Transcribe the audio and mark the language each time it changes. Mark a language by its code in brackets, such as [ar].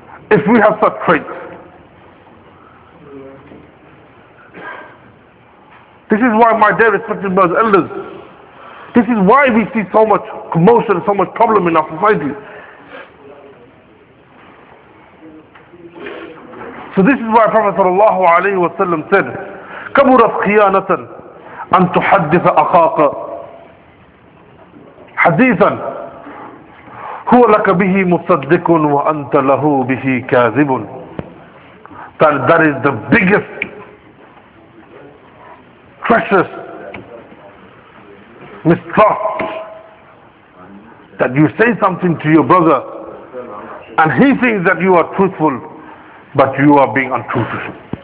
[en] If we have such traits. This is why my dear respected brothers, elders, this is why we see so much commotion, so much problem in our society. So this is why Prophet sallallahu alayhi wa sallam said, [ar] كَبُرَتْ خِيَانَةً أَن تُحَدِّثَ أَخَاقَ حَدِيثًا هُوَ لَكَ بِهِ مُصَدِّقٌ وَأَنْتَ لَهُ بِهِ كَاذِبٌ. [en] That is the biggest, precious mistrust, that you say something to your brother and he thinks that you are truthful, but you are being untruthful.